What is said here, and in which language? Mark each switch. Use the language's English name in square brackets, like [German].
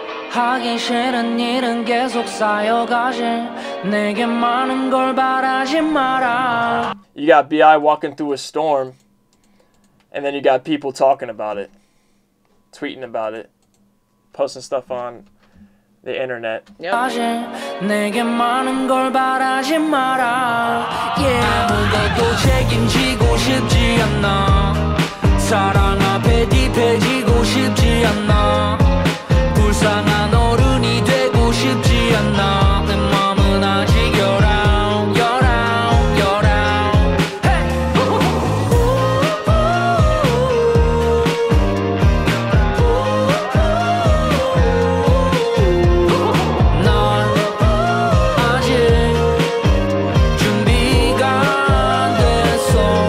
[Korean] 하기 싫은 일은 계속 쌓여가지 내게 많은 걸 바라지 마라 [English] You got B.I. walking through a storm and then you got people talking about it tweeting about it posting stuff on the internet [Korean] 내게 많은 걸 바라지 마라 아무것도 책임지고 싶지 않아 사랑 앞에 딥해지고 싶지 않아 불쌍한 어른이 되고 싶지 않아 내 맘은 아직 열아홉 난 아직 준비가 안 됐어